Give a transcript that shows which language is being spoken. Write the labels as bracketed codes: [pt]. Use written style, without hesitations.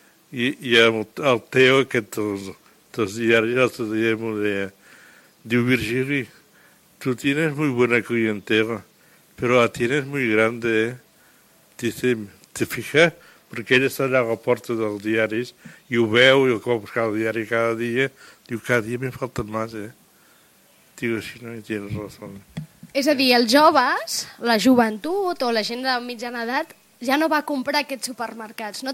[ca] I el Teo, aquest dels diaris, l'altre dia m'ho deia. [es] Diu, Virgili, tu tienes muy buena clientela, pero la tienes muy grande, Dice, ¿te fijas? Porque ella está [ca] allà a la porta dels diaris i ho veu i ho compra el diari cada dia. [es] Diu, cada dia me falta más, Diu, [ca] si no hi [es] tienes razón. [ca] És a dir, els joves, la joventut o la gent de mitjana edat ja no va a comprar aquests supermercats, no?